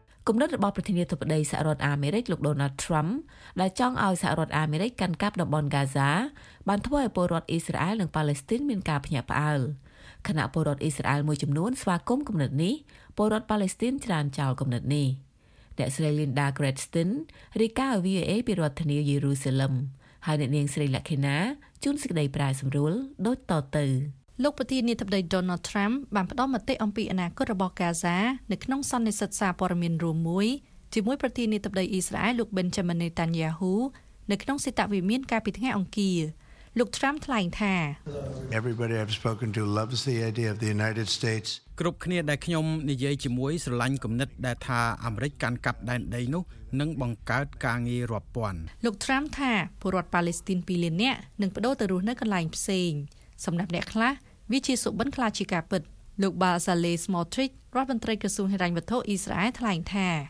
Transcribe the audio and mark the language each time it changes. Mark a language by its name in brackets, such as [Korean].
[Khmer] គំនិតរបស់ប្រធានាធិបតីសហរដ្ឋអាមេរិកលោកដូណាល់ ត្រាំដែលចង់ឲ្យសហរដ្ឋអាមេរិកកាន់កាប់តំបន់ហ្គាហ្សាបានធ្វើឲ្យពលរដ្ឋអ៊ីស្រាអែលនិងប៉ាឡេស្ទីនមានការភ្ញាក់ផ្អើលខណៈពលរដ្ឋអ៊ីស្រាអែលមួយចំនួនស្វាគមន៍គំនិតនេះពលរដ្ឋប៉ាឡេស្ទីនច្រានចោលគំនិតនេះអ្នកស្រីលីនដាក្រេតស្ទីនរាយការណ៍ VOA ពីរដ្ឋធានីយេរូសាឡឹមហើយអ្នកនាងស្រីលក្ខិណាជួនសេចក្តីប្រាយសម្រួលដូចតទៅ លោកប្រធានាធិបតី Donald Trump បានផ្ដល់មតិអំពីអនាគតរបស់ Gaza នៅក្នុងសន្និសីទសារព័ត៌មានរួមមួយជាមួយប្រធានាធិបតី Israel លោក Benjamin Netanyahu នៅក្នុងសេតវិមានកាលពីថ្ងៃអង្គារលោក Trump ថ្លែងថា [English] Everybody I've spoken to loves the idea of the United States [Khmer] គ្រប់គ្នាដែលខ្ញុំនិយាយជាមួយស្រឡាញ់គំនិតដែលថាអាមេរិកកាន់កាប់ដែនដីនោះនឹងបង្កើតការងាររាប់ពាន់លោក Trump ថាពលរដ្ឋប៉ាឡេស្ទីន2លាននាក់នឹងបដូរទៅរស់នៅកន្លែងផ្សេងសម្រាប់អ្នកខ្លះវិជាសុបិនខ្លាជាការពិតលោកបាសាលេស្មតរិចរដ្ឋមន្ត្រីក្រសួងហិរញ្ញវត្ថុអ៊ីស្រាអែលថ្លែងថា